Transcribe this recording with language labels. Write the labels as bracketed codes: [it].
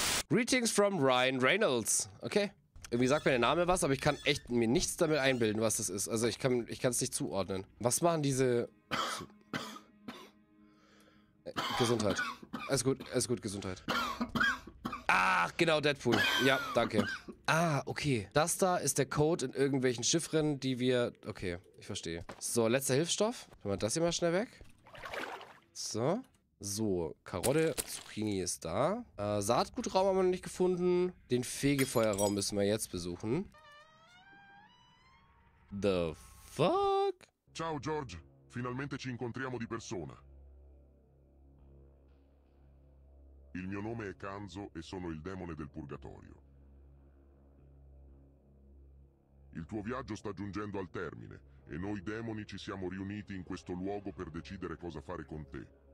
[en] Greetings from Ryan Reynolds. Okay. [de] Irgendwie sagt mir der Name was, aber ich kann echt mir nichts damit einbilden, was das ist. Also ich kann es nicht zuordnen. Was machen diese... Gesundheit. Alles gut, Gesundheit. Ach, genau, Deadpool. Ja, danke. Ah, okay. Das da ist der Code in irgendwelchen Chiffren, die wir... Okay, ich verstehe. So, letzter Hilfsstoff. Machen wir das hier mal schnell weg. So. So, Karotte, Zucchini ist da. Saatgutraum haben wir noch nicht gefunden. Den Fegefeuerraum müssen wir jetzt besuchen. [en] The fuck? [it] Ciao, George. Finalmente ci incontriamo di persona. Il mio nome è Kanzo e sono il demone del purgatorio. Il tuo viaggio sta giungendo al termine e noi demoni ci siamo riuniti in questo luogo per decidere cosa fare con te.